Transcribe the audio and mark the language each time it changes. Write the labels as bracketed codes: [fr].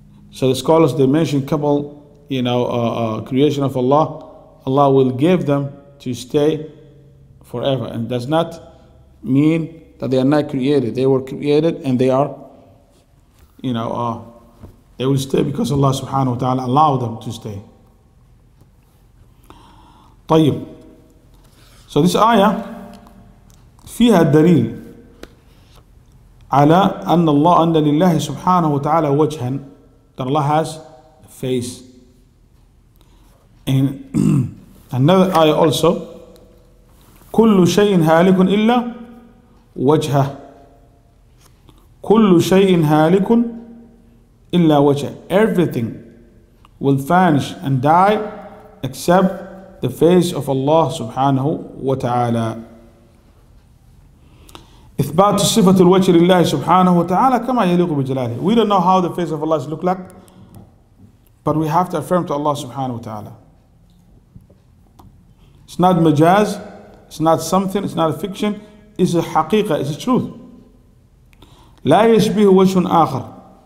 [en] So the scholars, they mentioned couple, you know, creation of Allah. Allah will give them to stay forever. And does not mean that they are not created. They were created and they are, you know, they will stay because Allah subhanahu wa ta'ala allowed them to stay. [ar] طيب [en] so this ayah [ar] فيها الدليل على أن الله أن لله سبحانه وتعالى وجها [en] that Allah has a face and another ayah also [ar] كل شيء هالك إلا وجهه كُلُّ شَيْءٍ هَالِكٌ إِلَّا وَجْهَ. [en] Everything will vanish and die except the face of Allah subhanahu wa ta'ala. [ar] إثبات صفة الوجه لله سبحانه وتعالى كما يليق بجلاله. [en] We don't know how the face of Allah should look like, but we have to affirm to Allah subhanahu wa ta'ala. It's not majaz, it's not something, it's not a fiction, it's a حقيقة, it's a truth. [ar] لا يشبه وجه آخر.